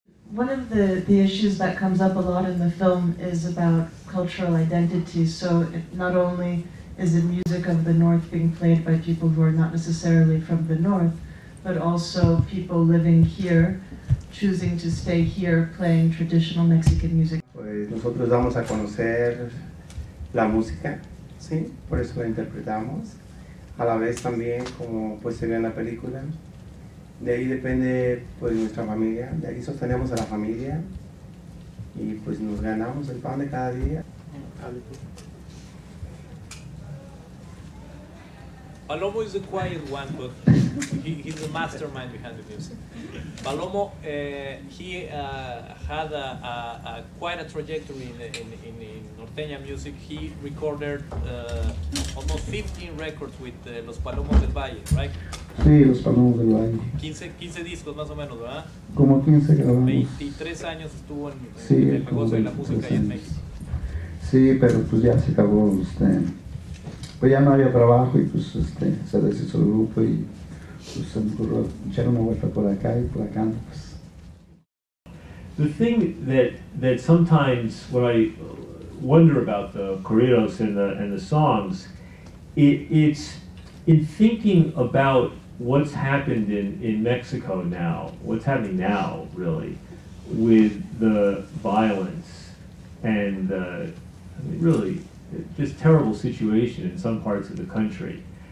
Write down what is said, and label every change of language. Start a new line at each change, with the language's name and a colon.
English: One of the issues that comes up a lot in the film is about cultural identity. So it, not only is it music of the North being played by people who are not necessarily from the North, but also people living here, choosing to stay here, playing traditional Mexican music.
Spanish: Pues nosotros vamos a conocer la música, sí, por eso la interpretamos. A la vez también, como pues se ve en la película, de ahí depende pues nuestra familia, de ahí sostenemos a la familia y pues nos ganamos el pan de cada día.
English: Palomo is a quiet one, but he's the mastermind behind the music. Palomo, had a quite a trajectory in Norteña music. He recorded almost 15 records with Los Palomos del Valle, right?
Spanish: Sí, Los Palomos del Valle. 15 discos más o menos, ¿verdad? Como 15 grabamos. 23 años estuvo en sí, el negocio de la música ahí en México. Sí, pero pues ya se acabó, pues ya no había trabajo y pues se deshizo el grupo y pues se me ocurrió echar una vuelta por acá y por acá, pues.
English: The thing that sometimes what I wonder about the corridos and the songs, it's in thinking about what's happened in Mexico now, what's happening now really, with the violence and the really just terrible situation in some parts of the country.